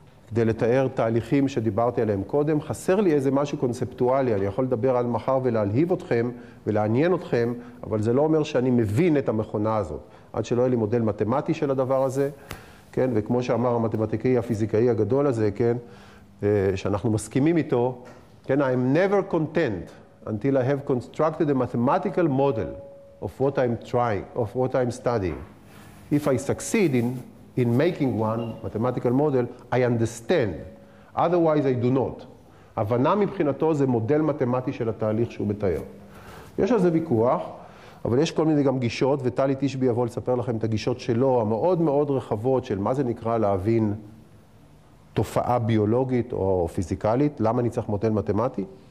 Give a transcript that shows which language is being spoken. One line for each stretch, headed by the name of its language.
Hebrew: כדי לתאר תהליכים שדיברתי עליהם קודם, חסר לי איזה משהו קונספטואלי, אני יכול לדבר על מחר ולהלהיב אתכם ולעניין אתכם, אבל זה לא אומר שאני מבין את המכונה הזאת, עד שלא יהיה לי מודל מתמטי של הדבר הזה, כן? וכמו שאמר המתמטיקאי הפיזיקאי הגדול הזה, כן? שאנחנו מסכימים איתו, כן?
English: I'm never content until I have constructed a mathematical model of what I'm trying, of what I'm studying. If I succeed in making one mathematical model, I understand. Otherwise, I do not.
Hebrew: הבנה מבחינתו זה מודל מתמטי של התהליך שהוא מתאר. יש על זה ויכוח, אבל יש כל מיני גם גישות, וטלי טישבי יבוא לספר לכם את הגישות שלו, המאוד מאוד רחבות של מה זה נקרא להבין תופעה ביולוגית או פיזיקלית, למה אני צריך מודל מתמטי.